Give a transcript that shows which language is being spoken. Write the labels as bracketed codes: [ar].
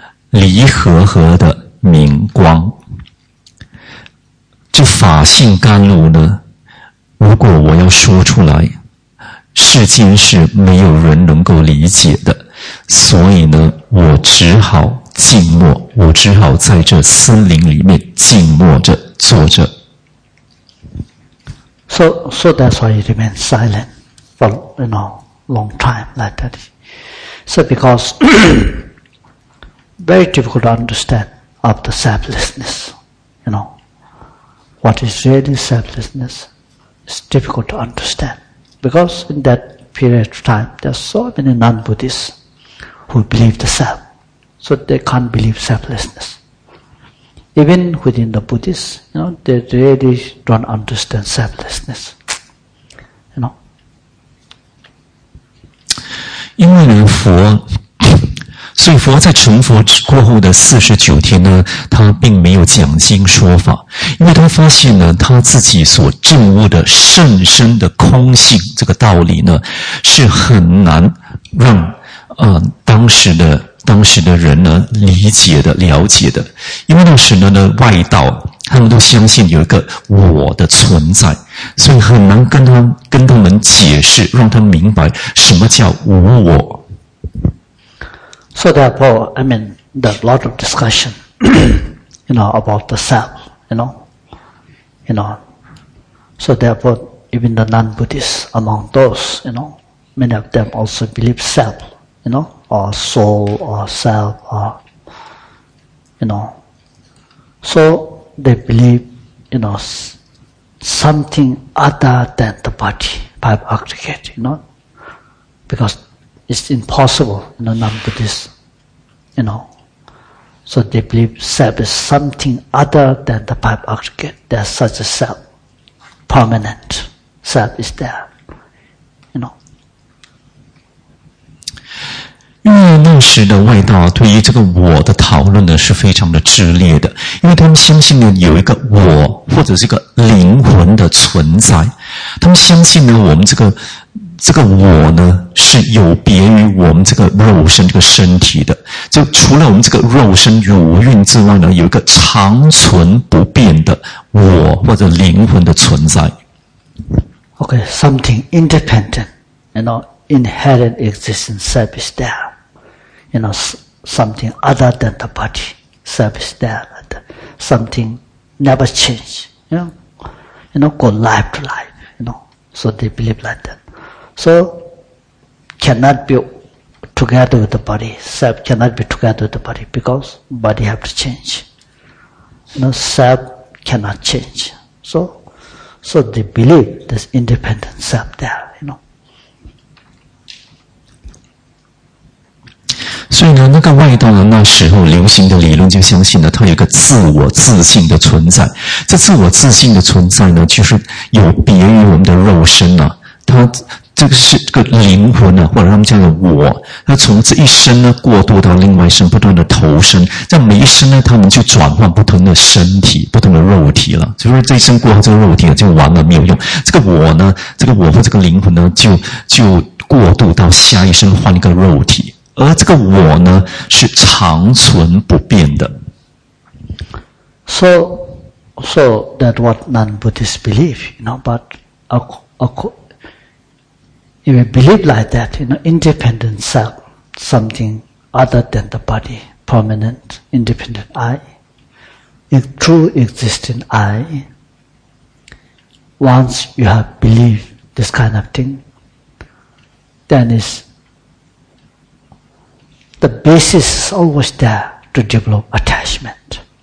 [zh] 离合合的明光，这法性甘露呢，如果我要说出来，世间是没有人能够理解的，所以呢，我只好静默，我只好在这森林里面静默着坐着。 [en] So that's why it remains silent for you know long time like that. So because. Very difficult to understand of the selflessness, you know. What is really selflessness is difficult to understand. Because in that period of time, there are so many non-Buddhists who believe the self. So they can't believe selflessness. Even within the Buddhists, you know, they really don't understand selflessness, you know. [zh] 因为佛所以佛在成佛过后的49天呢，他并没有讲经说法，因为他发现呢，他自己所证悟的甚深的空性这个道理呢，是很难让当时的人呢理解的、了解的。因为那时呢外道他们都相信有一个我的存在，所以很难跟他们解释，让他们明白什么叫无我。 [en] So therefore, I mean, there's a lot of discussion, you know, about the self, you know. So therefore, even the non-Buddhists among those, you know, many of them also believe self, you know, or soul, or self, or, you know. So they believe, you know, something other than the body, five aggregate, you know, because it's impossible, you know, non-Buddhists, you know. So they believe self is something other than the five aggregate. There's such a self, permanent self is there, you know. [zh] 因为那时的外道对于这个我的讨论呢是非常的炽烈的，因为他们相信呢有一个我或者这个灵魂的存在，他们相信呢我们这个我呢是有别于我们这个肉身这个身体的，就除了我们这个肉身五蕴之外呢，有一个长存不变的我或者灵魂的存在。 [en] Okay, something independent, you know, inherent existence, self is there. You know, something other than the body, self is there. Something never change, you know, go life to life, you know. So they believe like that. So, cannot be together with the body. Self cannot be together with the body because body have to change. You know, self cannot change. So they believe this independent self there, you know. [zh] 所以呢，那个外道呢，那时候流行的理论就相信呢，它有一个自我自信的存在。这自我自信的存在呢，就是有别于我们的肉身啊，它。这个是这个灵魂呢，或者他们叫做我，他从这一生呢过渡到另外一生，不断的投身，在每一生呢，他们就转换不同的身体、不同的肉体了。就是这一生过后，这个肉体就完了，没有用。这个我呢，这个我和这个灵魂呢，就过渡到下一生换一个肉体，而这个我呢是长存不变的。 [en] So that what non-Buddhists believe, you know, but If you believe like that, you know, independent self, something other than the body, permanent, independent I, a true existing I, once you have believed this kind of thing, then is the basis is always there to develop attachment.